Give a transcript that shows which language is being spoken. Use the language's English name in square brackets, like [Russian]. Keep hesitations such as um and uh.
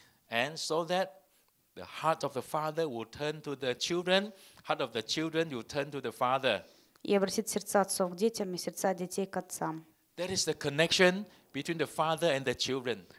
[English] And so that the heart of the Father will turn to the children heart of the children, you turn to the father. [Russian] И обратит сердца к детям и сердца детей к отцам. [English] That is the connection between the father and the children.